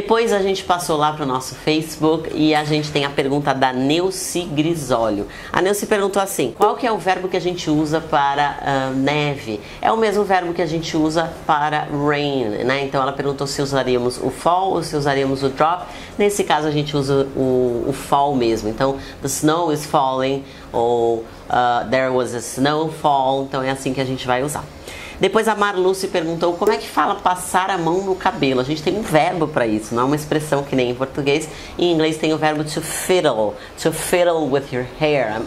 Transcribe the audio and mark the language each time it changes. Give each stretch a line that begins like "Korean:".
Portuguese: Depois a gente passou lá para o nosso Facebook e a gente tem a pergunta da Neuci Grisolho. A Neuci perguntou assim: qual que é o verbo que a gente usa para neve? É o mesmo verbo que a gente usa para rain, né? Então ela perguntou se usaríamos o fall ou se usaríamos o drop. Nesse caso a gente usa o fall mesmo.
English: Então, the snow is falling ou there was a snowfall.
Portuguese: Então é assim que a gente vai usar. Depois a Marluce perguntou como é que fala passar a mão no cabelo. A gente tem um verbo para isso, não é uma expressão que nem em português. Em inglês tem o verbo
English: to fiddle with your hair.